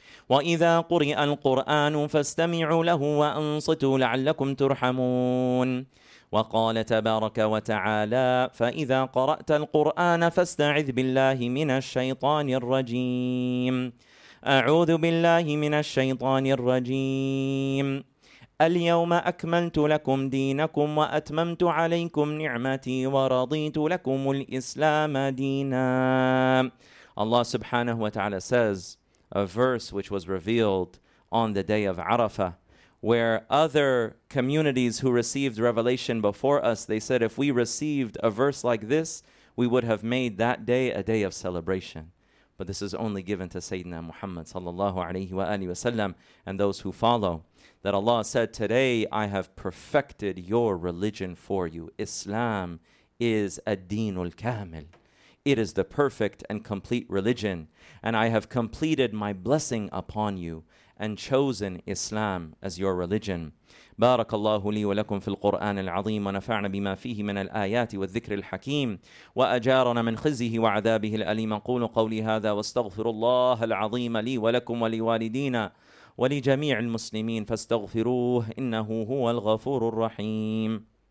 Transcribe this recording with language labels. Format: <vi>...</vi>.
<ar>وَإِذَا قُرِئَ الْقُرْآنُ فَاسْتَمِعُوا لَهُ وَأَنصِتُوا لَعَلَّكُمْ تُرْحَمُونَ وقال تبارك وتعالى فإذا قرأت القرآن فاستعذ بالله من الشيطان الرجيم أعوذ بالله من الشيطان الرجيم اليوم أكملت لكم دينكم وأتممت عليكم نعمتي ورضيت لكم الإسلام دينا.</ar> <en>Allah subhanahu wa ta'ala says, a verse which was revealed on the day of Arafah, where other communities who received revelation before us, they said, if we received a verse like this, we would have made that day a day of celebration. But this is only given to Sayyidina Muhammad sallallahu alayhi wa alihi wa sallam and those who follow, that Allah said, today I have perfected your religion for you. Islam is ad-deenul kamil. It is the perfect and complete religion. And I have completed my blessing upon you and chosen Islam as your religion.</en> <ar>بارك الله لي ولكم في القرآن العظيم ونفعنا بما فيه من الآيات والذكر الحكيم وأجارنا من خزيه وعذابه الأليم. قولوا قولي هذا واستغفروا الله العظيم لي ولكم ولوالدينا ولجميع المسلمين فاستغفروه إنه هو الغفور الرحيم.</ar>